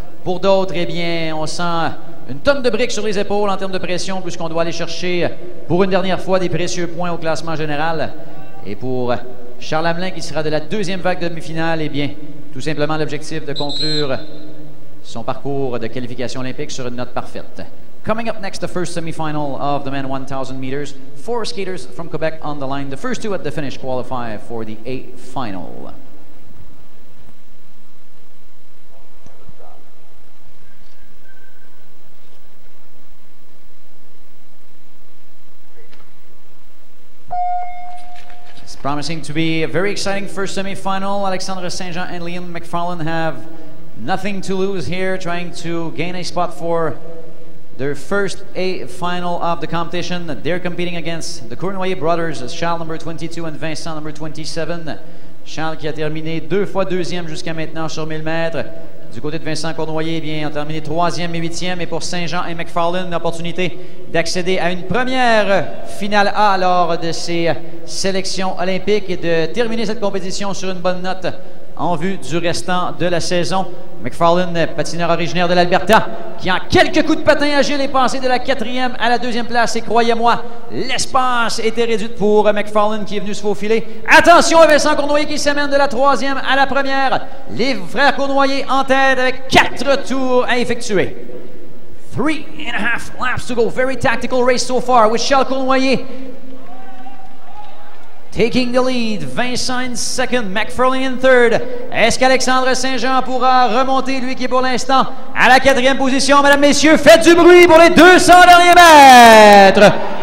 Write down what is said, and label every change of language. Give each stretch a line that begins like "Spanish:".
French: Pour d'autres, eh bien, on sent une tonne de briques sur les épaules en termes de pression puisqu'on doit aller chercher pour une dernière fois des précieux points au classement général. Et pour Charles Hamelin, qui sera de la deuxième vague de demi-finale, eh bien, tout simplement l'objectif de conclure son parcours de qualification olympique sur une note parfaite.
English: Coming up next, the first semifinal of the men 1000 meters. Four skaters from Quebec on the line. The first two at the finish qualify for the A final. It's promising to be a very exciting first semifinal. Alexandre Saint-Jean and Liam McFarlane have nothing to lose here, trying to gain a spot for their first A final of the competition. They're competing against the Cournoyer brothers, Charles number 22 and Vincent number 27.
French: Charles qui a terminé deux fois deuxième jusqu'à maintenant sur 1000 mètres. Du côté de Vincent Cournoyer, eh bien, a terminé troisième et huitième. Et pour Saint-Jean et McFarlane, l'opportunité d'accéder à une première finale A lors de ces sélections olympiques et de terminer cette compétition sur une bonne note en vue du restant de la saison. McFarlane, patineur originaire de l'Alberta, qui en quelques coups de patin agile est passé de la quatrième à la deuxième place. Et croyez-moi, l'espace était réduit pour McFarlane qui est venu se faufiler. Attention à Vincent Cournoyer qui s'amène de la troisième à la première. Les frères Cournoyer en tête avec quatre tours à effectuer.
English: 3.5 laps to go. Very tactical race so far with Charles Cournoyer. Taking the lead, Vincent in second, McFarlane in third.
French: Est-ce qu'Alexandre Saint-Jean pourra remonter, lui qui est pour l'instant à la quatrième position? Mesdames, messieurs, faites du bruit pour les 200 derniers mètres!